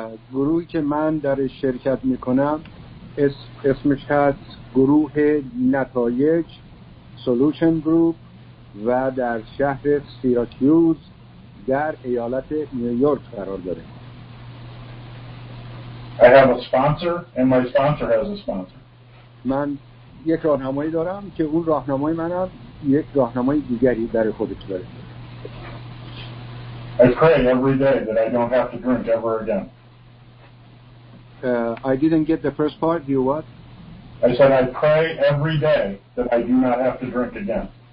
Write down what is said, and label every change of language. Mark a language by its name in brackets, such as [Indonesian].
[Persian] گروهی که من در شرکت میکنم اسمش هست گروه نتایج، سولوشن گروپ، و در شهر سیراکیوز در ایالت نیویورک قرار داره. [English] I have a sponsor and my sponsor has a sponsor. [Persian] من یک راهنمایی دارم که اون راهنمای منم یک راهنمای دیگری برای خودش داره. [English] I pray every day that I don't have to drink ever again. I didn't get the first part. You what? I said I pray every day that I do not have to drink again.